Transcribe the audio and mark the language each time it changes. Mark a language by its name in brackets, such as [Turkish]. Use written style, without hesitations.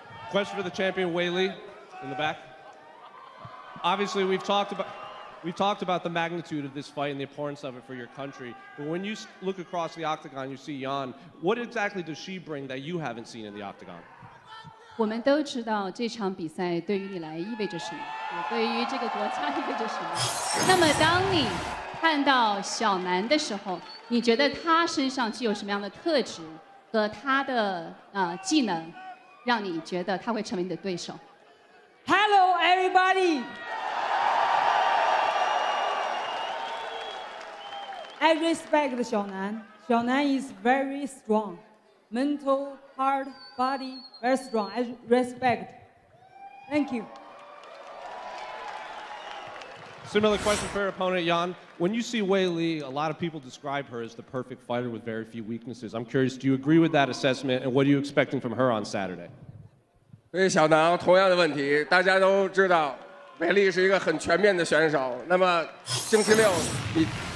[English] Question for the champion, Weili, in the back. Obviously, we've talked about the magnitude of this fight and the importance of it for your country. But when you look across the octagon, you see Yan. What exactly does she bring that you haven't seen in the octagon? We all know this fight means what to you. What [Chinese] 看到小南的时候，你觉得他身上具有什么样的特质和他的技能，让你觉得他会成为你的对手？ [English] Hello, everybody. I respect Xiaonan. Xiaonan is very strong, mental, heart, body, very strong. I respect. Thank you. Similar question for your opponent, Yan. When you see Weili, a lot of people describe her as the perfect fighter with very few weaknesses. I'm curious, do you agree with that assessment, and what are you expecting from her on Saturday? [Chinese] 对小南同样的问题，大家都知道，Weili是一个很全面的选手。那么星期六，你